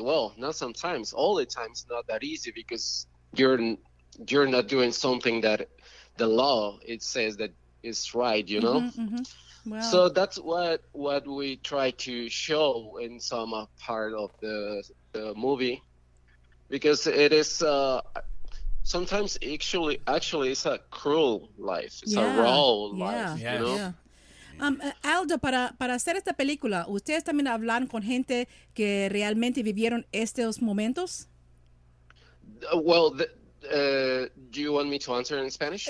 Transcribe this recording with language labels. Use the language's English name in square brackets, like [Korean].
[English] Well, not sometimes, all the time it's not that easy, because you're not doing something that the law, it says that it's right, you know? Mm-hmm, mm-hmm. Well, so that's what we try to show in some part of the movie, because it is sometimes actually it's a cruel life. It's a raw life, you know? Yeah. [Spanish] Aldo, para hacer esta película, ¿ustedes también hablan con gente que realmente vivieron estos momentos? [English] Well, do you want me to answer in Spanish?